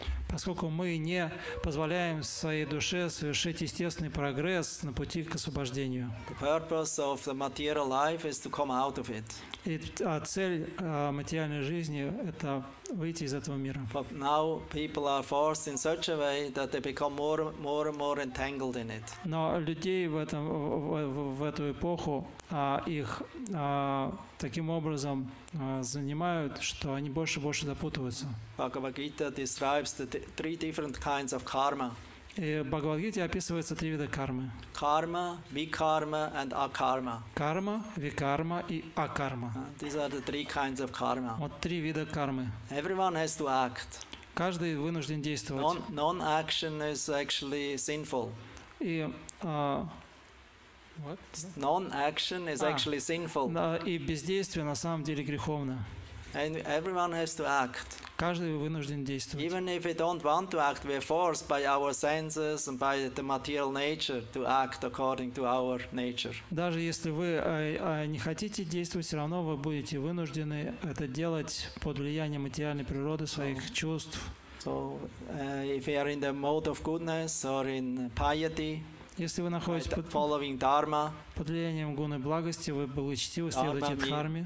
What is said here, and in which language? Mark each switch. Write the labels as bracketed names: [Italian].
[Russian] Поскольку мы не позволяем своей душе совершить естественный прогресс на пути к освобождению. [English] The purpose of the material life is to come out of it. [Russian] И цель материальной жизни – это выйти из этого мира. [English] But now people are forced in such a way that they become more and more entangled in it. [Russian] Но людей в эту эпоху их таким образом занимают, что они больше и больше запутываются. [English] Bhagavad Gita describes the three different kinds of karma. [Russian] И в Бхагавад-гите описывается три вида кармы. [English] Карма, викарма and акарма. [Russian] Карма, викарма и акарма. [English] These are the three kinds of karma. [Russian] Вот три вида кармы. [English] Everyone has to act. [Russian] Каждый вынужден действовать. [English] Non-action is actually sinful. [Russian] И [English] Non-action is actually sinful. [Russian] И бездействие на самом деле греховно. [English] And everyone has to act. [Russian] Каждый вынужден действовать. [English] Even if we don't want to act, we're forced by our senses and by the material nature to act according to our nature. [Russian] Даже если вы не хотите действовать, все равно вы будете вынуждены это делать под влиянием материальной природы своих чувств. [English] If we are in the mode of goodness or in piety. [Russian] Если вы находитесь под влиянием гуны благости, вы будете чтивы, следуете дхарме.